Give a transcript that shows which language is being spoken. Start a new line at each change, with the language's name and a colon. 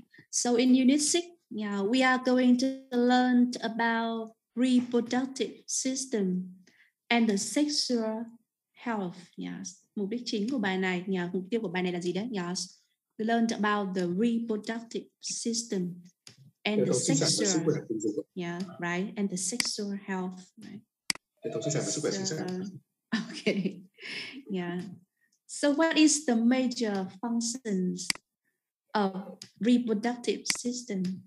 English: So in unit 6, we are going to learn about reproductive system and the sexual health. Yes.
Vietnamese: Mục đích chính của bài này, mục tiêu của bài này là gì đấy?
English: Yes. We learned about the reproductive system and the sexual, right? And the sexual health, right? So, okay. Yeah. So what is the major functions of reproductive system?